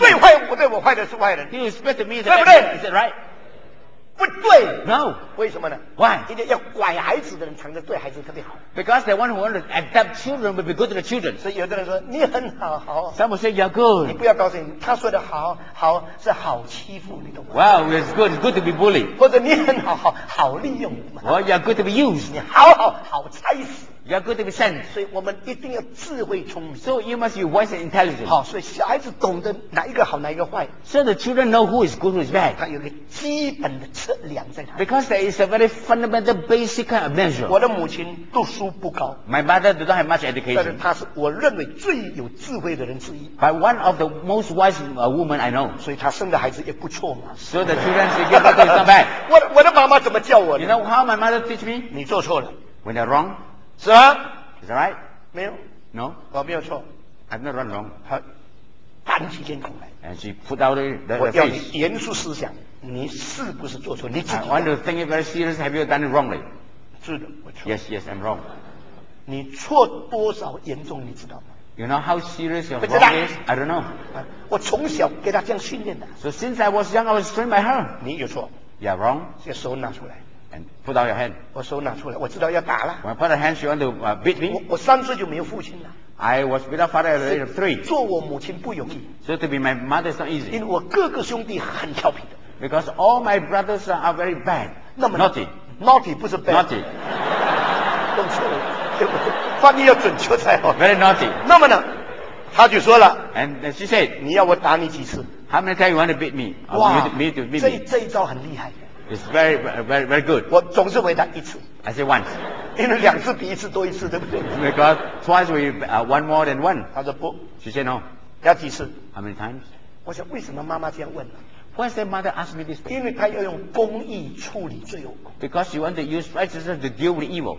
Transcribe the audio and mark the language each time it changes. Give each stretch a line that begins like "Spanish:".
Chinese: 对坏我对我坏的是坏人。
English: He who is bad to me is bad.
Chinese: 对不对
English: ？Is that right？
Chinese: 不对
English: ，No，
Chinese: 为什么呢
English: ？Why？
Chinese: 因为要拐孩子的人，常常对孩子特别好。
English: Because the one who wants to adopt children will be good to the children。
Chinese: 所以有的人说你很好，好。
English: Some will say you're good。
Chinese: 你不要高兴，他说的好好是好欺负，你懂吗
English: ？Wow, it's good. It's good to be bullied。
Chinese: 或者你很好，好好利用。
English: Well, you're good to be used。
Chinese: 你好好好拆死。
English: You're good to be sent。
Chinese: 所以我们一定要智慧聪明。
English: So you must be wise and intelligent。
Chinese: 好，所以小孩子懂得哪一个好，哪一个坏。
English: So the children know who is good, who is bad。
Chinese: 他有个基本的测量在哪里
English: ？Because there is a very fundamental, basic kind of measure。
Chinese: 我的母亲读书不高。
English: My mother did not have much education。
Chinese: 但是她是我认为最有智慧的人之一。
English: By one of the most wise women I know。
Chinese: 所以她生的孩子也不错嘛。
English: So the children say, "Your mother is not bad."
Chinese: 我的妈妈怎么叫我
English: ？You know how my mother teach me?
Chinese: 你做错了。
English: When they're wrong.
Chinese: 是吗
English: ？Is that right？
Chinese: 没有。
English: No，
Chinese: 我没有错。
English: I'm not wrong。
Chinese: 他板起脸孔来。
English: And she put out the face。
Chinese: 我要你严肃思想，你是不是做错？你自己。
English: I want to think very seriously. Have you done it wrongly？
Chinese: 是的，我错。
English: Yes, yes, I'm wrong。
Chinese: 你错多少严重，你知道吗
English: ？You know how serious your wrong is？ I don't know。
Chinese: 我从小给他这样训练的。
English: So since I was young, I was trained by her。
Chinese: 你有错。
English: You're wrong。
Chinese: 这手拿出来。
English: And put out your hand.
Chinese: 我手拿出来，我知道要打了。
English: When I put out hands, you want to beat me?
Chinese: 我三岁就没有父亲了。
English: I was without father at the age of three.
Chinese: 做我母亲不容易。
English: So to be my mother is not easy.
Chinese: 因为我各个兄弟很调皮的。
English: Because all my brothers are very bad.
Chinese: 那么
English: naughty. Naughty
Chinese: 不是
English: bad. Naughty.
Chinese: 弄错了，对不对？翻译要准确才好。
English: Very naughty.
Chinese: 那么呢？他就说了。
English: And she said,
Chinese: 你要我打你几次
English: ？How many times you want to beat me?
Chinese: 哇，这一招很厉害。
English: It's very, very, very good.
Chinese: 我总是回答一次。
English: I say once.
Chinese: 因为两次比一次多一次，对不对
English: ？Because twice we one more than one.
Chinese: 他说不。
English: She said no.
Chinese: 要几次
English: ？How many times?
Chinese: 我想为什么妈妈这样问
English: ？Why did mother ask me this?
Chinese: 因为她要用公义处理罪恶。
English: Because she want to use righteousness to deal with evil.